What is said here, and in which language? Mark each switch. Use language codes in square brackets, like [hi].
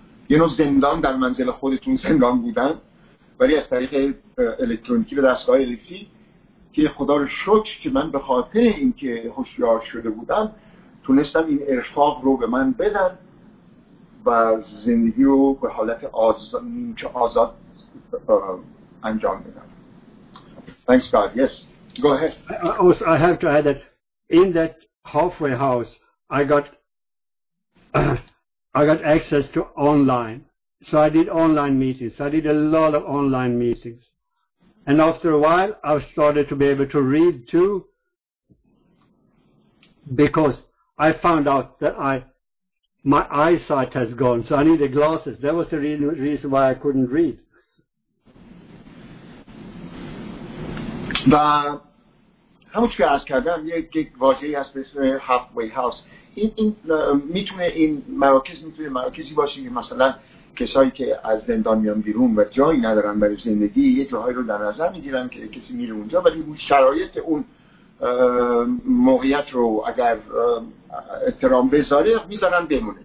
[fa] یه نوع زندان در منزل خودتون زندان بودن ولی از طریق الکترونیکی و دستگاه الکتری که خدا رو شکر که من به خاطر اینکه هوشیار شده بودم تونستم این ارفاق رو به من بدن و زندگی رو به حالت آزاد انجام بدم. [en] Thanks God. Yes. Go ahead. Also, I have to add that in that halfway house I got access to online. So I did online meetings. I did a lot of online meetings. And after a while, I started to be able to read too, because I found out that my eyesight has gone, so I needed glasses. That was the reason why I couldn't read. [fa] و همون چی که عرض کردم یک واژه‌ای هست به اسم halfway house. این میتونه این مراکز میتونه مراکزی باشه که مثلا کسایی که از زندان میان بیرون و جایی ندارن برای زندگی یه جاهایی رو در نظر میگیرن که کسی میره اونجا، ولی اون شرایط اون موقعیت رو اگر احترام بذاره میذارن بمونه.